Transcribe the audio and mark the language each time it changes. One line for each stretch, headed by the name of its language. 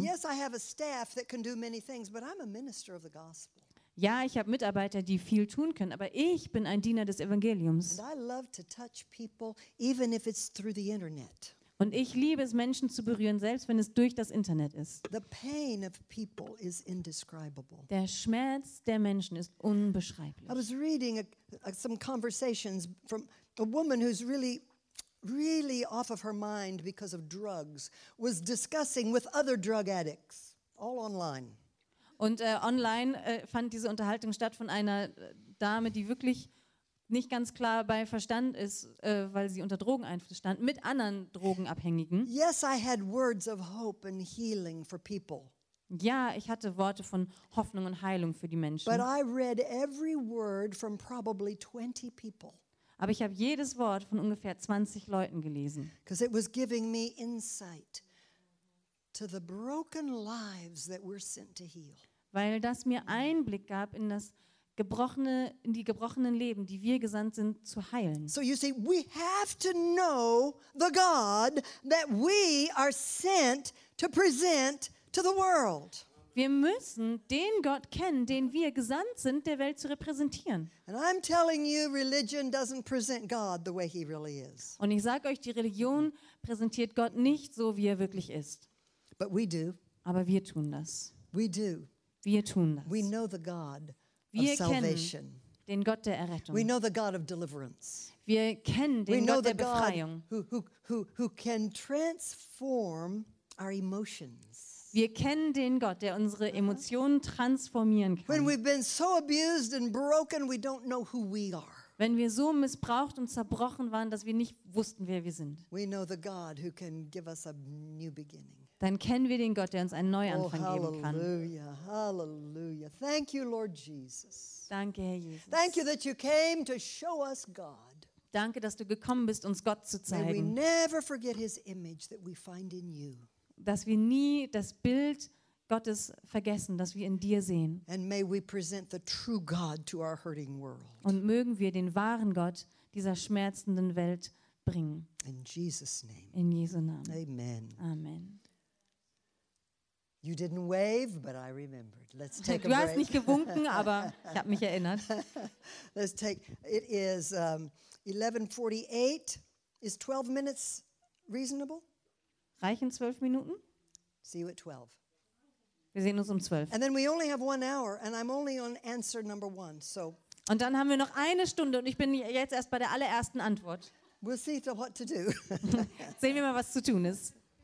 English: Yes, I have a staff that can do many things, but I'm a minister of the gospel.
German: Ja, ich habe Mitarbeiter, die viel tun können, aber ich bin ein Diener des Evangeliums.
English: And I love to touch people, even if it's through the internet.
German: Und ich liebe es, Menschen zu berühren, selbst wenn es durch das Internet ist.
English: The pain of people is indescribable.
German: Der Schmerz der Menschen ist unbeschreiblich.
English: I was reading some conversations from a woman who's really, really off of her mind because of drugs, was discussing with other drug addicts, all online.
German: Und online fand diese Unterhaltung statt von einer Dame, die wirklich nicht ganz klar bei Verstand ist, weil sie unter Drogeneinfluss stand, mit anderen Drogenabhängigen.
English: Yes, I had words of hope and healing for people.
German: Ja, ich hatte Worte von Hoffnung und Heilung für die Menschen.
English: But I read every word from probably 20 people.
German: Aber ich habe jedes Wort von ungefähr 20 Leuten gelesen.
English: Because it was giving me insight to the broken lives that we're sent to heal.
German: Weil das mir Einblick gab in das gebrochene, in die gebrochenen Leben, die wir gesandt sind zu heilen.
English: So you see, we have to know the God that we are sent to present to the world.
German: Wir müssen den Gott kennen, den wir gesandt sind, der Welt zu repräsentieren.
English: And I'm telling you, religion doesn't present God the way he really is.
German: Und ich sage euch, die Religion präsentiert Gott nicht so, wie er wirklich ist.
English: But we do.
German: Aber wir tun das.
English: We do.
German: Wir tun das.
English: We know the God
German: wir
English: of salvation.
German: Den Gott der Errettung.
English: We know the God of deliverance.
German: Wir kennen den
English: we
German: Gott
English: know
German: der
English: the
German: Befreiung.
English: God who can transform our emotions.
German: Wir kennen den Gott, der unsere Emotionen transformieren kann.
English: When we've been so abused and broken, we don't know who we are.
German: Wenn wir so missbraucht und zerbrochen waren, dass wir nicht wussten, wer wir sind.
English: We know the God who can give us a new beginning.
German: Dann kennen wir den Gott, der uns einen Neuanfang oh, geben kann.
English: Hallelujah, hallelujah. Thank you, Lord Jesus.
German: Danke, Herr Jesus.
English: Thank you that you came to show us God.
German: Danke, dass du gekommen bist, uns Gott zu zeigen.
English: May we never forget his image that we find in you.
German: Dass wir nie das Bild Gottes vergessen, das wir in dir sehen.
English: And may we present the true God to our hurting world.
German: Und mögen wir den wahren Gott dieser schmerzenden Welt bringen.
English: In Jesus' name.
German: In Jesu Namen.
English: Amen.
German: Amen.
English: You didn't wave, but I remembered. Let's take a break.
German: Du hast nicht gewunken, aber ich habe mich erinnert.
English: Let's take. It is 11:48. Is 12 minutes reasonable?
German: Reichen 12 Minuten?
English: See you at 12.
German: Wir sehen uns um 12.
English: And then we only have 1 hour, and I'm only on answer number one. So.
German: Und dann haben wir noch eine Stunde, und ich bin jetzt erst bei der allerersten Antwort.
English: We'll see what to do.
German: Sehen wir mal, was zu tun ist.